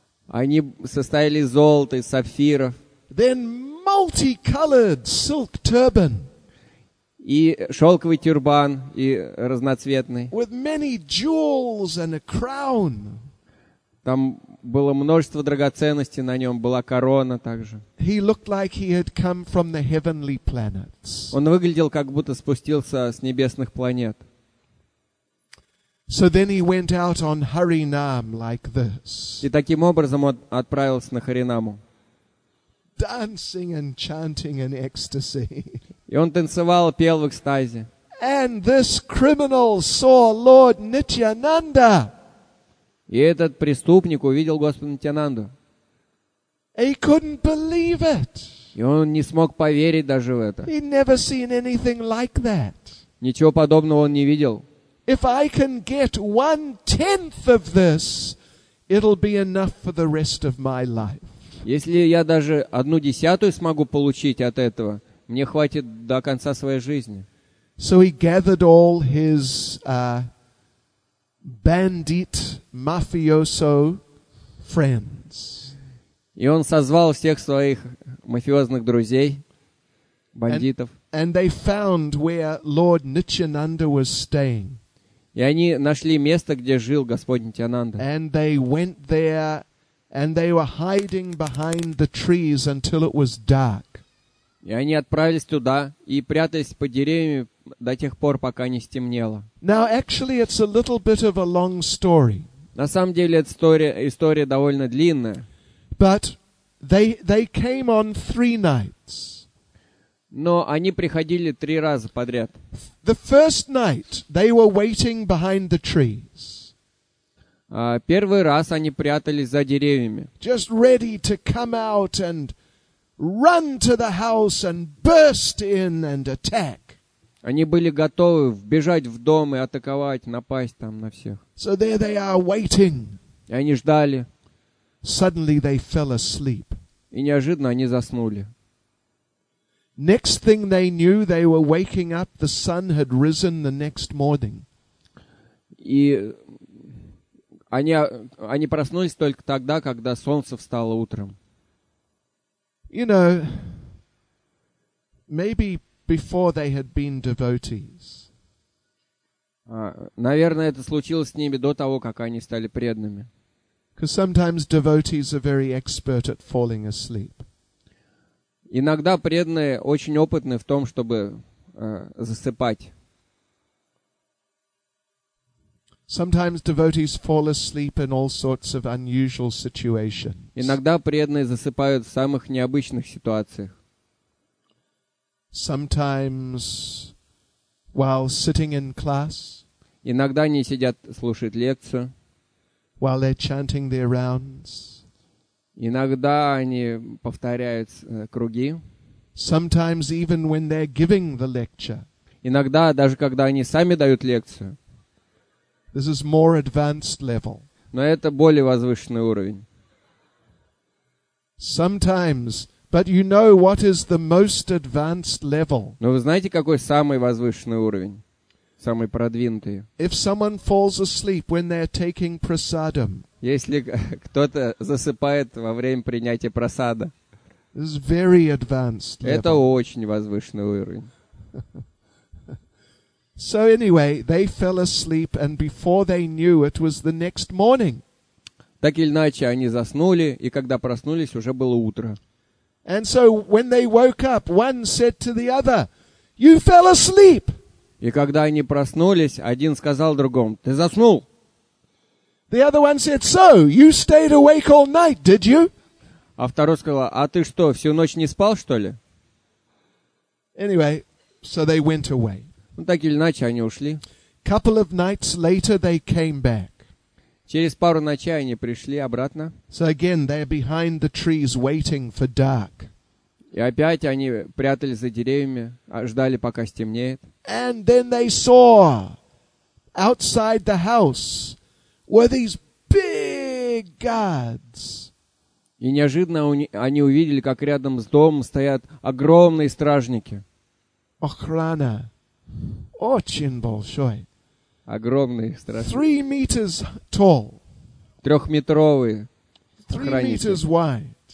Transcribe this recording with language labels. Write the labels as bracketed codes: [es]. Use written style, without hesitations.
[ru] Они состояли из золота и сапфиров. [en] Then multicolored silk turban. [ru] И шелковый тюрбан, и разноцветный. [en] With many jewels and a crown. [ru] Там было множество драгоценностей на нем, была корона также. [en] He looked like he had come from the heavenly planets. [ru] Он выглядел, как будто спустился с небесных планет. [en] So then he went out on Haринам like this. [ru] И таким образом он отправился на Харинаму. [en] Dancing and chanting in ecstasy. [ru] И он танцевал, пел в экстазе. [en] And this criminal saw Lord Nityananda. [ru] И этот преступник увидел Господа Нитьянанду. [en] He couldn't believe it. [ru] И он не смог поверить даже в это. [en] He'd never seen anything like that. [ru] Ничего подобного он не видел. [en] If I can get 1/10 of this, it'll be enough for the rest of my life. [ru] Если я даже 1/10 смогу получить от этого, мне хватит до конца своей жизни. [en] So he gathered all his bandit mafioso friends. [ru] И он созвал всех своих мафиозных друзей, бандитов. [en] And they found where Lord Nityananda was staying. [ru] И они нашли место, где жил Господь Нитьянанда. [en] And they went there. And they were hiding behind the trees until it was dark. [ru] И они отправились туда и прятались под деревьями до тех пор, пока не стемнело. [en] Now, actually, it's a little bit of a long story. [ru] На самом деле, эта история довольно длинная. [en] But they came on three nights. [ru] Но они приходили три раза подряд. [en] The first night they were waiting behind the trees. [ru] Первый раз они прятались за деревьями. [en] Just ready to come out and run to the house and burst in and attack. [ru] Они были готовы вбежать в дом и атаковать, напасть там на всех. [en] So there they are waiting. [ru] И они ждали. [en] Suddenly they fell asleep. [ru] И неожиданно они заснули. [en] Next thing they knew, they were waking up. The sun had risen the next morning. [ru] И они проснулись только тогда, когда солнце встало утром. [en] You know, maybe before they had been devotees. [ru] Наверное, это случилось с ними до того, как они стали преданными. [en] Because sometimes devotees are very expert at falling asleep. [ru] Иногда преданные очень опытны в том, чтобы засыпать. [en] Sometimes devotees fall asleep in all sorts of unusual situations. [ru] Иногда преданные засыпают в самых необычных ситуациях. [en] Sometimes while sitting in class. [ru] Иногда они сидят, слушают лекцию. [en] While they're chanting their rounds. [ru] Иногда они повторяют круги. [en] Sometimes even when they're giving the lecture. [ru] Иногда даже когда они сами дают лекцию. [en] This is more advanced level. [ru] Но это более возвышенный уровень. [en] Sometimes, but you know what is the most advanced level? [ru] Но вы знаете, какой самый возвышенный уровень? Самый продвинутый. [en] If someone falls asleep when they're taking prasadam. [ru] Если кто-то засыпает во время принятия прасада. [en] This is very advanced level. [ru] Это очень возвышенный уровень. [en] So anyway, they fell asleep, and before they knew it was the next morning. [ru] Так или иначе, они заснули, и когда проснулись, уже было утро. [en] And so when they woke up, one said to the other, "You fell asleep." [ru] И когда они проснулись, один сказал другому, "Ты заснул." [en] The other one said, "So you stayed awake all night, did you?" [ru] А второй сказал, "А ты что, всю ночь не спал, что ли?" [en] Anyway, So they went away. [ru] Ну, так или иначе, они ушли. [en] Couple of nights later, they came back. [ru] Через пару ночей они пришли обратно. [en] So again, they're behind the trees waiting for dark. [ru] И опять они прятались за деревьями, ждали, пока стемнеет. [en] And then they saw outside the house were these big guards. [ru] И неожиданно они увидели, как рядом с домом стоят огромные стражники. Охрана. Очень большой. Огромные стражники. [en] 3 meters tall. [ru] Трехметровые. [en] 3 meters wide.